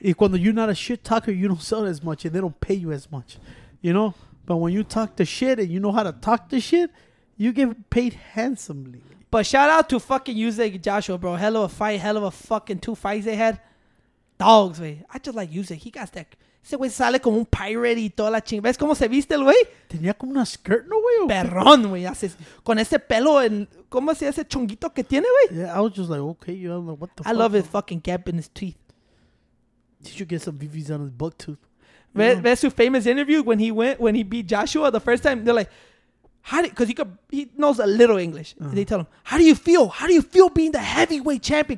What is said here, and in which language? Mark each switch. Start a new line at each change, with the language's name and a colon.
English: If when you're not a shit talker, you don't sell as much, and they don't pay you as much, you know. But when you talk the shit and you know how to talk the shit, you get paid handsomely. But shout out to fucking Usyk Joshua, bro. Hell of a fight. Hell of a fucking two fights they had. Dogs, wey. I just like Usyk. He got that.
Spanish: Ese wey sale como un pirate y toda la chingada. ¿Ves cómo se viste el wey? Tenía como una skirt, no, wey. Perrón, wey. Con ese pelo. En, ¿cómo se ese chonguito que tiene, wey?
English: Yeah, I was just like, okay, you don't know what the fuck. I love his fucking gap in his teeth. Did you get some VVs on his buck tooth?
Spanish: Ves su
English: famous interview when he went, when he beat Joshua the first time? They're like, how did, because he knows a little English. Uh-huh. They tell him, how do you feel? How do you feel being the heavyweight champion?